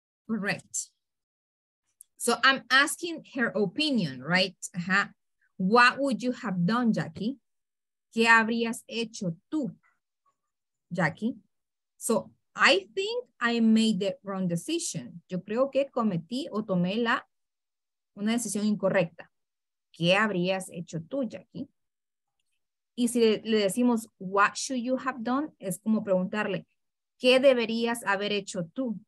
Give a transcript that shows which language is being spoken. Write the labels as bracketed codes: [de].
[en] Correct. So I'm asking her opinion, right? Uh-huh. What would you have done, Jackie? [es] ¿Qué habrías hecho tú, Jackie? [en] So I think I made the wrong decision. [es] Yo creo que cometí o tomé una decisión incorrecta. ¿Qué habrías hecho tú, Jackie? Y si le decimos, [en] what should you have done? [es] Es como preguntarle, ¿qué deberías haber hecho tú?